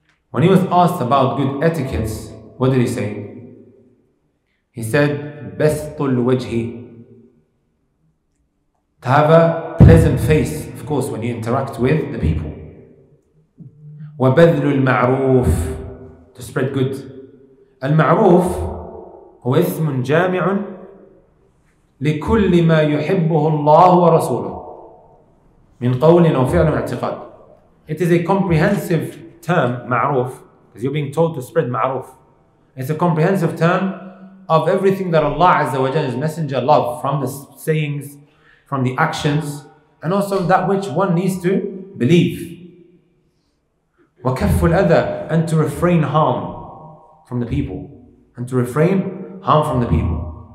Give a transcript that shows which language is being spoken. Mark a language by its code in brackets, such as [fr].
[en] When he was asked about good etiquettes, what did he say? He said, bastul wajhi, to have a pleasant face, of course, when you interact with the people. [ar] وَبَذْلُ الْمَعْرُوفِ, [en] to spread good. [ar] الْمَعْرُوفِ هو اسم جامع لكل ما يحبه الله ورسوله من قول أو فعل واعتقاد. [en] It is a comprehensive term, معروف, because you're being told to spread معروف. It's a comprehensive term of everything that Allah Azza wa Jalla's Messenger loved, from the sayings, from the actions, and also that which one needs to believe. [ar] وكف الأذى, [en] and to refrain harm from the people, and to refrain harm from the people.